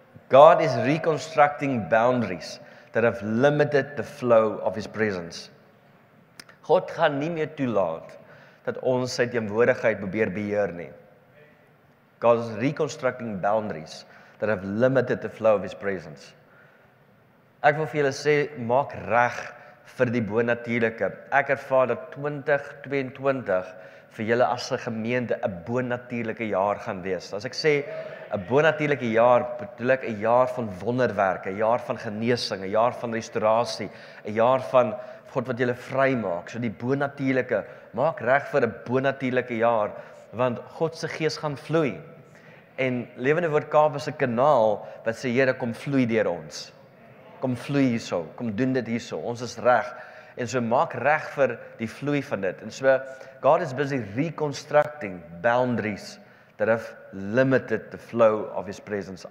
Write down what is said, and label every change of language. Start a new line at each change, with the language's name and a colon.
English: God is reconstructing boundaries that have limited the flow of his presence.
Afrikaans: God gaan nie meer toelaat dat ons sy teenwoordigheid probeer beheer nie.
English: God is reconstructing boundaries that have limited the flow of his presence.
Afrikaans: Ek wil vir julle sê, maak reg vir die bonatuurlike. Ek ervaar dat 2022 vir julle as 'n gemeente 'n bonatuurlike jaar gaan wees. As ek sê 'n bonatuurlike jaar, bedoel ek 'n jaar van wonderwerke, 'n jaar van genesing, 'n jaar van restaurasie, 'n jaar van God wat julle vry maak. So die bonatuurlike, maak reg vir 'n bonatuurlike jaar, want God se gees gaan vloei. En Lewende Woord Kaap is 'n kanaal wat sê Here kom vloei deur ons. Kom vloei hierso, kom doen dit hierso, ons is reg. En so maak reg vir die vloei van dit. En so,
English: God is busy reconstructing boundaries that have limited the flow of his presence.